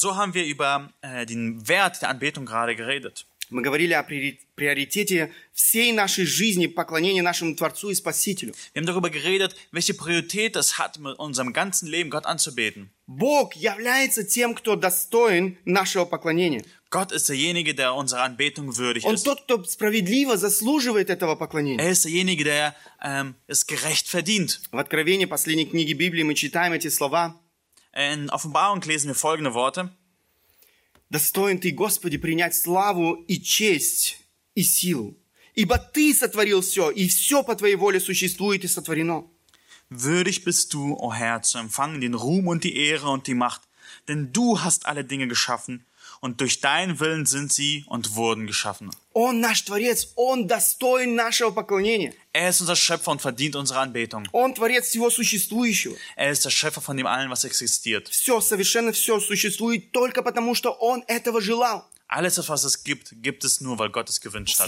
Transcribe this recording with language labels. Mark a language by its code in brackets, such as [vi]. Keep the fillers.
[de] so haben wir über den Wert der Anbetung gerade geredet. [ru] Мы говорили о приоритете всей нашей жизни поклонение нашему Творцу и Спасителю. [de] geredet, hat Leben Gott anzubeten. [ru] Бог является тем, кто достоин нашего поклонения. [de] Gott ist derjenige, der unserer Anbetung würdig Он ist. [ru] тот, кто справедливо заслуживает этого поклонения. [de] Er ist derjenige, der, ähm, es gerecht verdient. [ru] В Откровении, последней книги Библии, мы читаем эти слова. [de] In Offenbarung lesen wir folgende Worte. [ru] Достоин ты, Господи, принять славу и честь, и силу. Ибо ты сотворил все, и все по твоей воле существует и сотворено. [de] Würdig bist du, o oh Herr, zu empfangen den Ruhm und die Ehre und die Macht, denn du hast alle Dinge geschaffen, und durch deinen Willen sind sie und wurden geschaffen. [ru] Он наш Творец, Он достоин нашего поклонения. [de] Er ist unser Schöpfer und verdient unsere Anbetung. [ru] Он Творец всего существующего. [de] Er ist der Schöpfer von dem allen, was existiert. [ru] Все, совершенно все существует только потому, что Он этого желал. [de] Alles, was es gibt, gibt es nur, weil Gott es gewünscht hat.